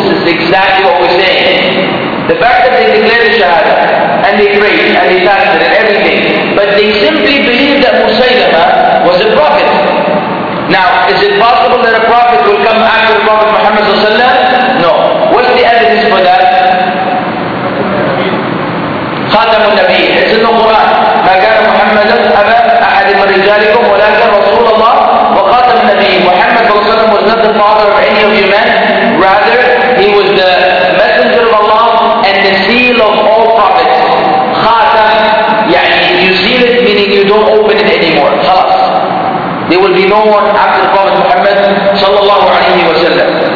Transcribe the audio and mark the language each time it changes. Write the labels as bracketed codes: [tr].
[en] This is exactly what we're saying. The fact that they declare the shahada, and they pray, and they fasted, and everything, but they simply believe that Musaylama was a prophet. Now, is it possible that a prophet will come after the Prophet Muhammad Sallallahu Alaihi Wasallam? No. What's the evidence for that? [ar] خاتم النبي. [en] It's in the Quran. [ar] ما كان محمد أبا أحد من رجالكم ولكن رسول الله وخاتم النبي. [en] Muhammad Sallallahu Alaihi Wasallam was not the father of any of you men. Rather, he was the messenger of Allah and the seal of all prophets. [ar] خاتم. [en] يعني you seal it, meaning you don't open it anymore. خلاص. There will be no one after the Prophet Muhammad sallallahu alayhi wa sallam.